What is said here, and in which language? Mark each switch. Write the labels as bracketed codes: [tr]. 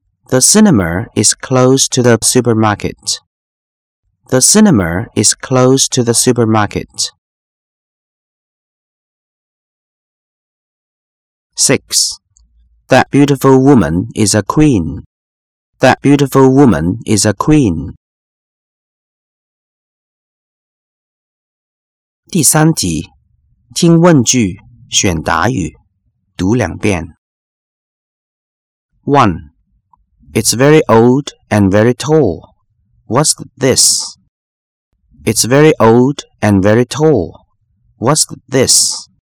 [en] The cinema is close to the supermarket. The cinema is close to the supermarket. 6. That beautiful woman is a queen. That beautiful woman is a queen. [zh] 第三题，听问句，选答语，读两遍。 [en] One, it's very old and very tall. What's this? It's very old and very tall. What's this?